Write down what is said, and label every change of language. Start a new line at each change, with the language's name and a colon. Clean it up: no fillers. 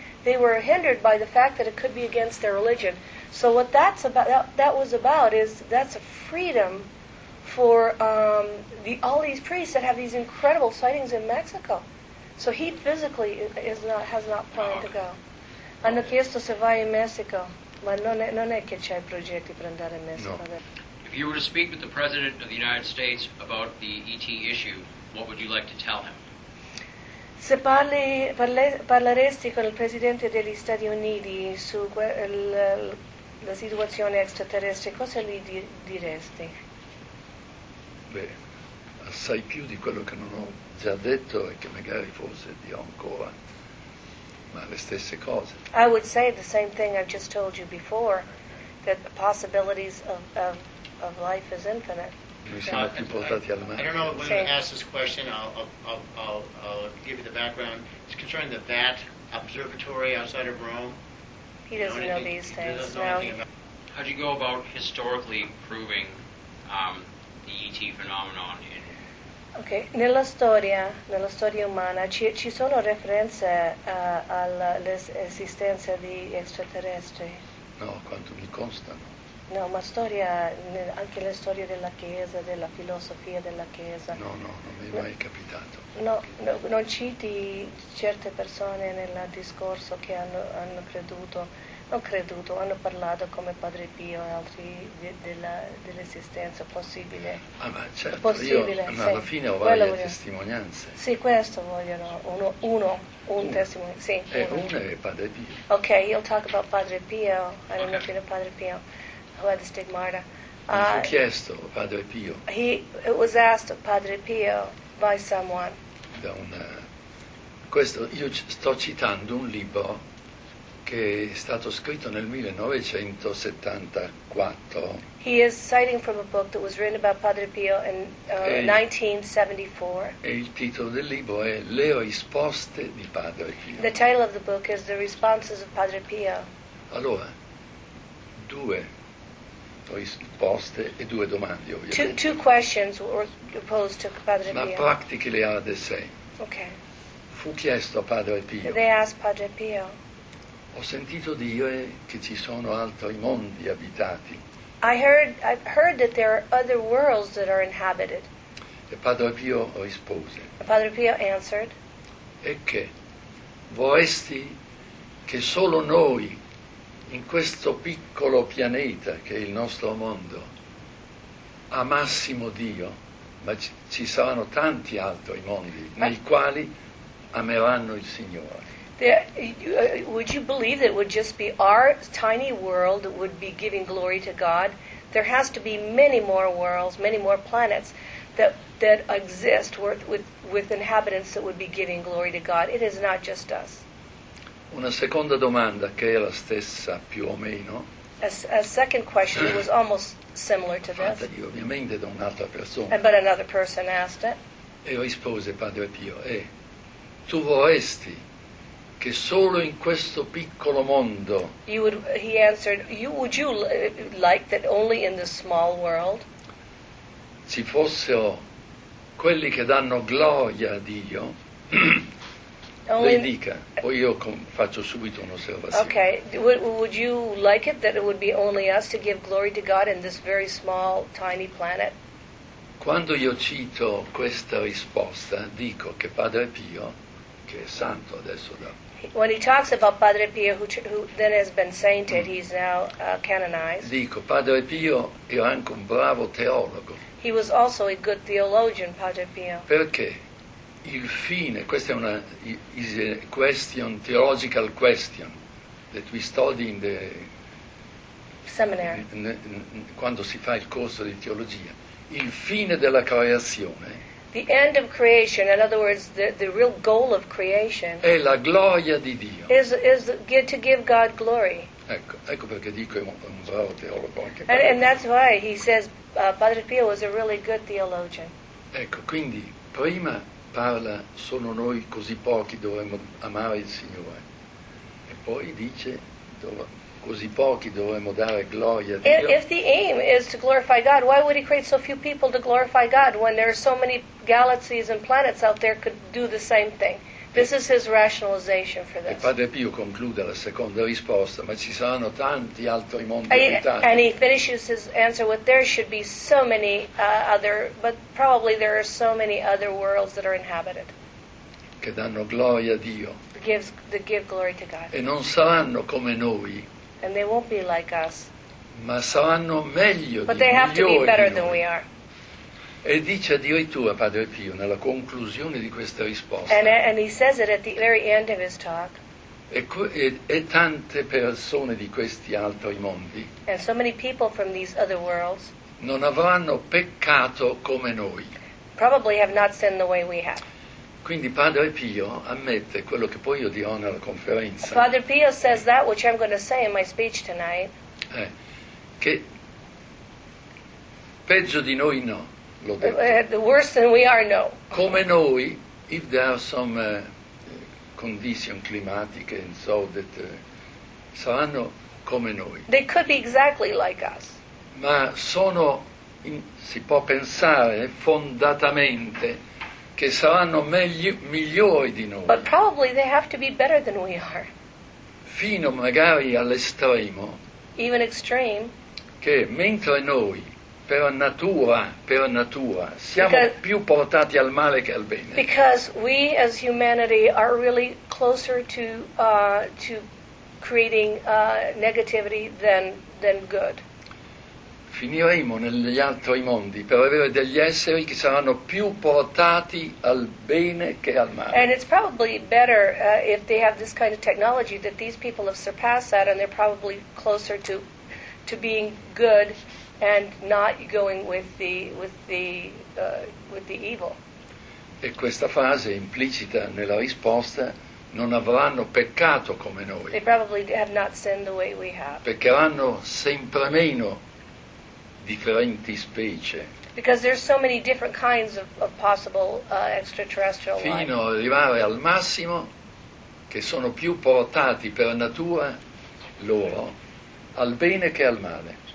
English: They were hindered by the fact that it could be against their religion. So what that's about, that was about is that's a freedom for all these priests that have these incredible sightings in Mexico. So he physically has not planned to go.
Italian: Hanno chiesto se vai in Messico, ma non è che c'è progetti per andare in Messico.
English: If you were to speak with the President of the United States about the ET issue, what would you like to tell him?
Italian: Se parleresti con il Presidente degli Stati Uniti su la situazione extraterrestre, cosa gli diresti? Beh, assai più di quello che non ho già detto e che magari forse dirò ancora, ma le stesse cose.
English: I would say the same thing I've just told you before, that the possibilities of life is infinite. I don't know when to ask this question. I'll give you the background. It's concerning the VAT observatory outside of Rome. He doesn't know these things. How do you go about historically proving the ET phenomenon?
Italian: Okay, nella storia umana ci sono referenze all'esistenza di extraterrestri. No, quanto mi constano. No, ma storia, anche la storia della Chiesa, della filosofia della Chiesa. No, non mi è mai capitato. No, non citi certe persone nel discorso che hanno creduto, non creduto, hanno parlato come Padre Pio e altri dell'esistenza possibile. Ah, ma certo, possibile, io, ma alla fine ho varie testimonianze. Sì, questo vogliono, un testimone, sì. Uno è Padre Pio.
English: Ok, you'll talk about Padre Pio, I don't know if you know Padre Pio. Who had the stigmata.
Italian: Chiesto Padre Pio.
English: It was asked of Padre Pio by someone.
Italian: Questo io sto citando un libro che è stato scritto nel 1974.
English: He is citing from a book that was written about Padre Pio in 1974.
Italian: E il titolo del libro è Le risposte di Padre Pio.
English: The title of the book is The Responses of Padre Pio.
Italian: Allora, due risposte e due domande, ovviamente.
English: Two questions were posed to Padre Pio. La practica le ha de sé. Ok.
Italian: Fu chiesto a Padre Pio.
English: They asked Padre Pio.
Italian: Ho sentito dire che ci sono altri mondi abitati.
English: I heard that there are other worlds that are inhabited.
Italian: E Padre Pio rispose.
English: Padre Pio answered.
Italian: E che vorresti che solo noi in questo piccolo pianeta che è il nostro mondo amassimo Dio, ma ci saranno tanti altri mondi nei quali ameranno il Signore.
English: Would you believe that it would just be our tiny world that would be giving glory to God? There has to be many more worlds, many more planets that exist with inhabitants that would be giving glory to God. It is not just us.
Italian: Una seconda domanda che è la stessa più o meno.
English: A second question was almost similar to this.
Italian: Fatta io, ovviamente da un'altra persona.
English: But another person asked it.
Italian: E rispose Padre Pio, tu vorresti che solo in questo piccolo mondo.
English: Would you like that only in this small world?
Italian: Ci fossero quelli che danno gloria a Dio. Lei dica, poi io faccio subito un'osservazione.
English: Okay, would you like it that it would be only us to give glory to God in this very small, tiny planet?
Italian: Quando io cito questa risposta, dico che Padre Pio, che è santo adesso da...
English: When he talks about Padre Pio, who then has been sainted, he's now canonized.
Italian: Dico, Padre Pio era anche un bravo teologo.
English: He was also a good theologian, Padre Pio.
Italian: Perché? Il fine, questa è una
English: question, theological question, that we study in the seminary,
Italian: quando si fa il corso di teologia.
English: Il fine della creazione, The end of creation, in other words, the real goal of creation.
Italian: È la gloria di Dio.
English: Is to give God glory.
Italian: Ecco perché dico è un bravo teologo anche.
English: And that's why he says Padre Pio was a really good theologian.
Italian: Ecco, quindi prima parla sono noi così pochi dovremmo amare il Signore e poi dice così pochi dovremmo dare gloria a Dio.
English: If the aim is to glorify God, why would he create so few people to glorify God when there are so many galaxies and planets out there could do the same thing? This is his rationalization for this.
Italian: E Padre Pio conclude la seconda risposta, ma ci saranno tanti altri mondi abitati.
English: And he finishes his answer with there should be so many other, but probably there are so many other worlds that are inhabited.
Italian: Che danno gloria a Dio.
English: Give glory to God.
Italian: E non saranno come noi.
English: And they won't be like us.
Italian: Ma saranno meglio
English: but they have to be better than we are.
Italian: E dice addirittura Padre Pio nella conclusione di questa risposta.
English: And he says it at the very end of his talk.
Italian: E tante persone di questi altri mondi.
English: And so many people from these other worlds.
Italian: Non avranno peccato come noi.
English: Probably have not sinned the way we have.
Italian: Quindi Padre Pio ammette quello che poi io dirò nella conferenza.
English: Father Pio says that which I'm going to say in my speech tonight.
Italian: Che peggio di noi no.
English: The worse than we are, no.
Italian: Come noi,
English: if there are some conditions
Italian: climatiche
English: and so that
Italian: saranno come noi.
English: They could be exactly like us.
Italian: Ma sono, si può pensare fondatamente che saranno migliori di noi.
English: But probably they have to be better than we are.
Italian: Fino magari all'estremo.
English: Even extreme.
Italian: Che mentre noi per natura siamo
English: because,
Italian: più portati al male che al bene.
English: Because we as humanity are really closer to creating negativity than good.
Italian: Finiremo negli altri mondi per avere degli esseri che saranno più portati al bene che al male.
English: And it's probably better if they have this kind of technology that these people have surpassed that and they're probably closer to being good and not going with the evil.
Italian: E questa frase implicita nella risposta non avranno peccato come noi.
English: They probably have not sinned the way we have.
Italian: Peccheranno sempre meno differenti specie.
English: Because there's so many different kinds of possible extraterrestrial life.
Italian: Fino ad arrivare al massimo che sono più portati per natura loro al bene che al male.